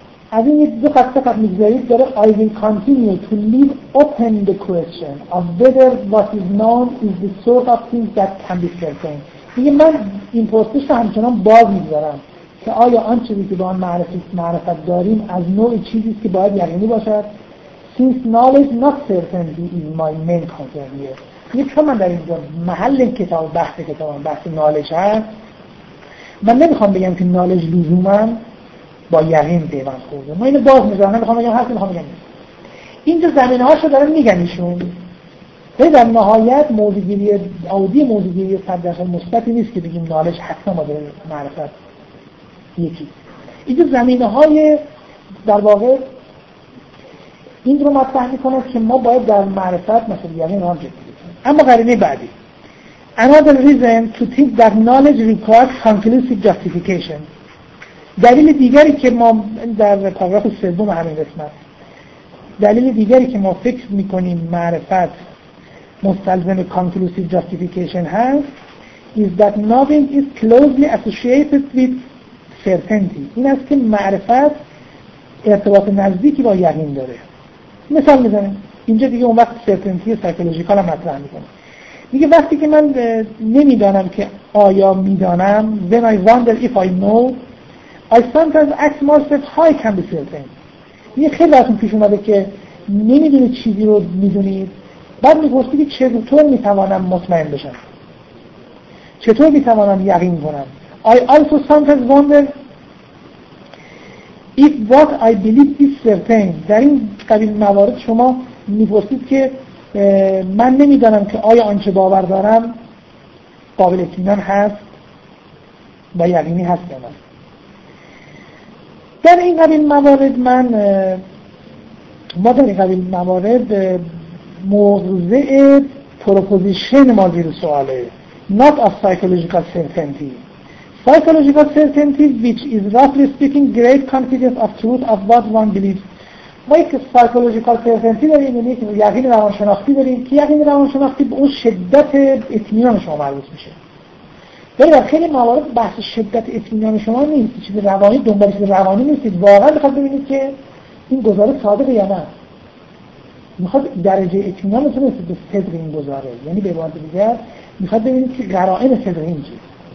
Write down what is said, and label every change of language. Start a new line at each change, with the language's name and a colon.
Persian: از این دو خطه فقط میگذارید داره
English: I will continue to leave open the question of whether what is known is the sort of thing that can be certain.
Persian: دیگه من این پرسش رو همچنان باز میگذارم که آیا آن چیزی که با آن معرفت داریم از نوع چیزیست که باید یقینی باشد.
English: Since knowledge not certainty is my main concern here.
Persian: یک چون من در اینجا محل کتاب بحث کتابم بحث نالج هست، من نمیخوام بگم که نالج لزومم با یقین دیوان خورده، من اینو باز میذارم، نمیخوام بگم هر که میخوام بگم نیست. اینجا زمینه هاشو دارم میگن ایشون، ولی در نهایت موضوعگیری عادی موضوعگیری صد درصد مثبتی نیست که بگیم نالج حتما با در معرفت یکی. اینجا زمینه های در واقع این رو مطرح میکنه که ما باید در معرفت مثلا یقین رو هم جدی. اما قرینه بعدی
English: another reason to think that knowledge requires conclusive justification.
Persian: دلیل دیگری که ما در پاراگراف سوم همین قسمت، دلیل دیگری که ما فکر میکنیم معرفت مستلزم
English: conclusive justification
Persian: هست
English: is that knowing is closely associated with certainty.
Persian: این است که معرفت ارتباط نزدیکی با یقین داره. مثال میزنم اینجا دیگه اون وقت سرتنتی سایکولوژیکال هم مطرح میکنه. میگه وقتی که من نمیدانم که آیا میدانم،
English: when I wonder if I know, I sometimes ask myself how I can be certain.
Persian: میگه خیلی ازتون پیش اومده که نمیدونید چیزی رو میدونید، بعد میپرسید که چطور میتوانم مطمئن بشم، چطور میتوانم یقین کنم.
English: I also sometimes wonder if what I believe is certain.
Persian: در این قبیل موارد شما میپرسید که من نمیدانم که آیا آنچه باور دارم قابل اطمینان هست و یقینی هست یا نه. در این قبیل موارد موضع پروپوزیشن ما زیر سواله،
English: not of psychological certainty. Psychological certainty which is roughly speaking great confidence of truth of what one believes.
Persian: ما یک سایکولوژیکال سرتنتی داریم، یعنی یک یقین روانشناختی داریم که یقین روانشناختی به اون شدت اطمینان شما مربوط میشه. ولی در خیلی موارد بحث شدت اطمینان شما نیست، چیز روانی دنبال چیز روانی نیستید، واقعا میخواد ببینید که این گزاره صادقه یا نه، میخواد درجه اطمینان شما نسبت به صدق این گزاره، یعنی به عبارت دیگر میخواد ببینید که قرائن صدق این چیه.